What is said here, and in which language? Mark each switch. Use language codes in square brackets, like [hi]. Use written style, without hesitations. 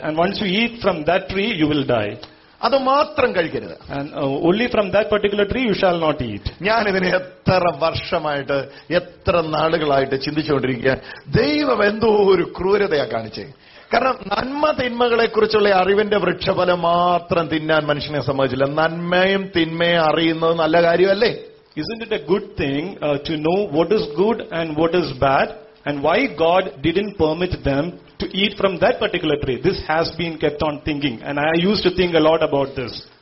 [en] And once you eat from that tree, you will die. [ml] അത് മാത്രം കഴിക്കരുത്. [en] Only from that particular tree you shall not eat. [ml] ഞാൻ ഇതിനെ എത്ര വർഷമായിട്ട് എത്ര നാളുകളായിട്ട് ചിന്തിച്ചുകൊണ്ടിരിക്കുകയാണ്. ദൈവം എന്തോ ഒരു ക്രൂരതയാണ് കാണിച്ചേ. കാരണം നന്മ തിന്മകളെ കുറിച്ചുള്ള അറിവിന്റെ വൃക്ഷഫലം മാത്രം തിന്നാൻ മനുഷ്യനെ സമ്മതിച്ചില്ല. നന്മയും തിന്മയും അറിയുന്നത് നല്ല കാര്യമല്ലേ? [en] Isn't it a good thing to know what is good and what is bad, and why God didn't permit them to eat from that particular tree? This has been kept on thinking, and I used to think a lot about this.